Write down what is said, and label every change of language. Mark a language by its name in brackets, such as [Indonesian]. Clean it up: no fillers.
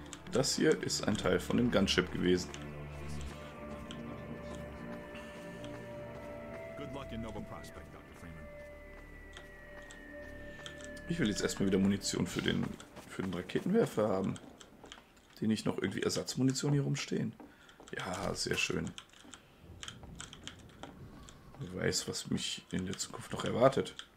[German] Das hier ist ein Teil von dem Gunship gewesen. [English] Good luck in Nova Prospect, Dr. Freeman. [German] Ich will jetzt erstmal wieder Munition für den. Für den Raketenwerfer haben. Die nicht noch irgendwie Ersatzmunition hier rumstehen. Ja, sehr schön. Wer weiß, was mich in der Zukunft noch erwartet.